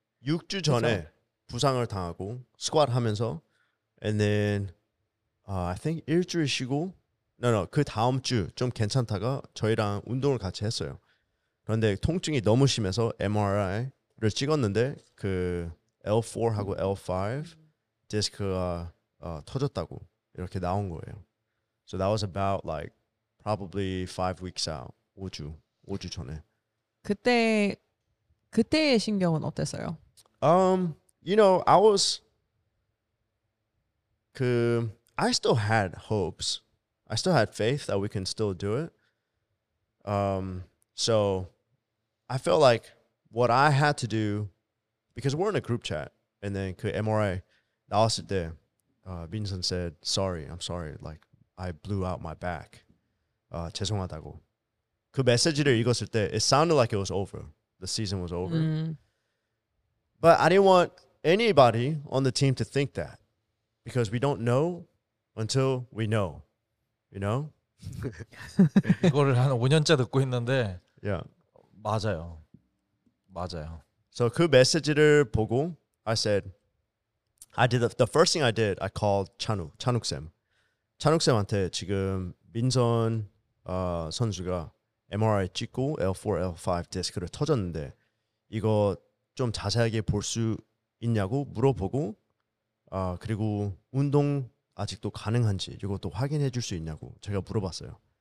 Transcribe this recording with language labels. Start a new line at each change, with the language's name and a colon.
Korean: 6주 전에 그래서. 부상을 당하고 스쿼트 하면서
English: and then I think
Korean: 일주일 쉬고 No, 그 다음 주 좀 괜찮다가 저희랑 운동을 같이 했어요. 그런데 통증이 너무 심해서 MRI를 찍었는데 그 L4하고 L5 디스크가 터졌다고 이렇게 나온 거예요.
English: So that was about like probably 5 weeks out.
Korean: 5주 전에. 그때의 신경은 어땠어요?
English: You know, I was I still had hopes. I still had faith that we can still do it. So I felt like what I had to do, because we're in a group chat, and then
Korean: 그 MRI 나왔을 때,
English: Vincent said, sorry, I'm sorry, like, I blew out my back.
Korean: 죄송하다고. 그 메시지를 읽었을 때,
English: it sounded like it was over. The season was over. But I didn't want anybody on the team to think that, because we don't know until we know. You know?
Korean: 이거를 한 5년째 듣고 있는데
English: yeah.
Korean: 맞아요.
English: So
Korean: 그 메시지를 보고
English: I did the first thing I did. I called 찬욱쌤.
Korean: 찬욱쌤한테 지금 민선 선수가 MRI 찍고 L4, L5 디스크를 터졌는데 이거 좀 자세하게 볼 수 있냐고 물어보고 그리고 운동 아직도 가능한지 이것도 확인해 줄 수 있냐고 제가 물어봤어요.